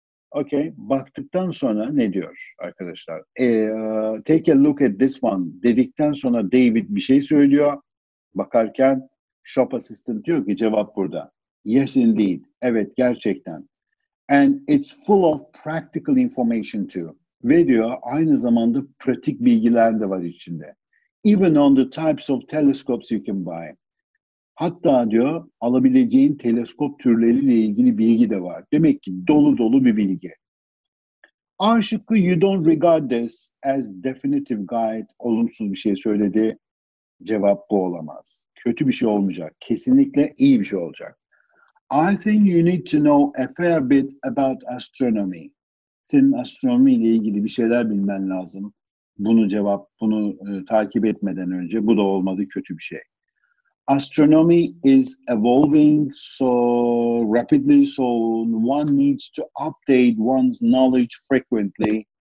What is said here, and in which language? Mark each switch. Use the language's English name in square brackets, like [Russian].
[Turkish] Okay, baktıktan sonra ne diyor arkadaşlar? [English] Take a look at this one [Turkish] dedikten sonra David bir şey söylüyor. Bakarken shop assistant diyor ki cevap burada. [English] Yes, indeed. [Turkish] Evet, gerçekten. [English] And it's full of practical information too. [Turkish] Ve diyor, aynı zamanda pratik bilgiler de var içinde. [English] Even on the types of telescopes you can buy. [Turkish] Hatta diyor, alabileceğin teleskop türleriyle ilgili bilgi de var. Demek ki dolu dolu bir bilgi. A şıkkı, [English] you don't regard this as definitive guide. [Turkish] Olumsuz bir şey söyledi. Cevap bu olamaz. Kötü bir şey olmayacak. Kesinlikle iyi bir şey olacak. [English] I think you need to know a fair bit about astronomy. [Turkish] Senin astronomi ile ilgili bir şeyler bilmen lazım. Bunu takip etmeden önce. Bu da olmadı, kötü bir şey. [English] Astronomy is evolving so rapidly, so one needs to update one's knowledge frequently.